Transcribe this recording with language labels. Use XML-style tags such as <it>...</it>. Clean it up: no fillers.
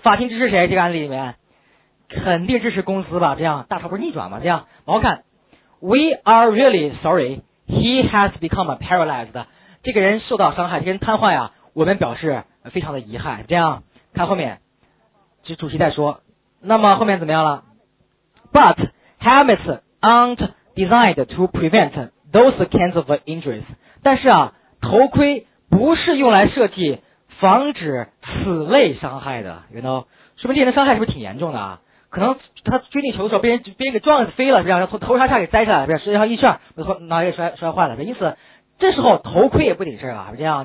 <zh>法庭支持谁？这个案例里面肯定支持公司吧？这样大潮不是逆转吗？这样往后看 ， We are really sorry.</zh> <en>He has become paralyzed.</en> <zh>这个人受到伤害，这个人瘫痪呀、啊，我们表示非常的遗憾。这样看后面，这主席再说。</zh> <en>那么后面怎么样了？But helmets aren't designed to prevent those kinds of injuries.</en> <zh>但是啊，头盔不是用来设计防止此类伤害的 ，you know, 说明这人的伤害是不是挺严重的啊？可能他追你球的时候被人给撞飞了，是不是？头上下给摘下来，是不是？身上一圈，脑袋摔坏了，因此这时候头盔也不顶事了，是不是这样？</zh>